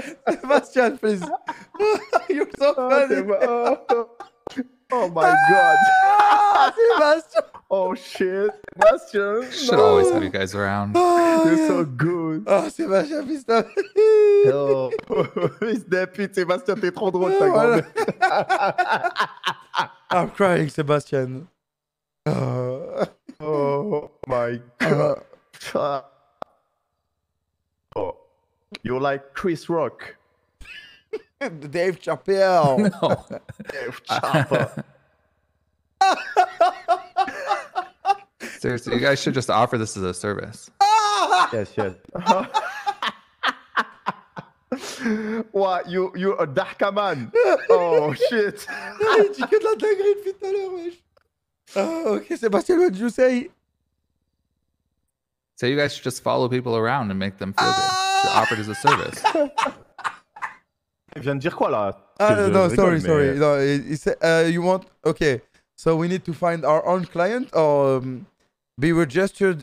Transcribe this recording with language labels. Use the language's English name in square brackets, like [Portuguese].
[English] Sebastian, please. You're so funny. Oh my god. Sebastian. Oh shit. Sebastian. Should always have you guys around. You're so good. Oh, Sebastian, please stop. Oh. [French] Sebastian, Sebastian, t'es trop drôle, ta grande. [English] I'm crying, Sebastian. Oh my god. Oh. You're like Chris Rock. Dave Chappelle. No. Dave Chappelle. Seriously, you guys should just offer this as a service. Yes, yes. What, you're a dark man? Oh, shit. [French] You get la dinguerie depuis tout à l'heure, wesh. [English] Okay, Sebastian, what did you say? So you guys should just follow people around and make them feel good. Offer it as a service. [French] Il vient de dire quoi, là? [English] No, sorry. No, you want... Okay, so we need to find our own client or be registered?